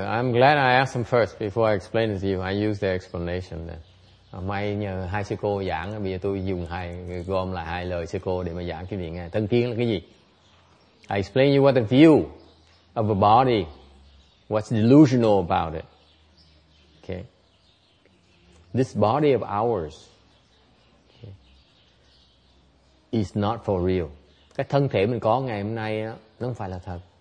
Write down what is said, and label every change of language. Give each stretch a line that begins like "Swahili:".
English: I'm glad I asked them first before I explain it to you. I use the explanation then.
Vietnamese: May nhờ hai sư cô giảng, bây giờ tôi dùng hai, gom lại hai lời sư cô để mà giảng cái việc này. Thân kiến là cái gì?
English: I explain you what the view of a body, what's delusional about it. Okay. This body of ours, okay, is not for real.
Vietnamese: Cái thân thể mình có ngày hôm nay đó, nó không phải là thật.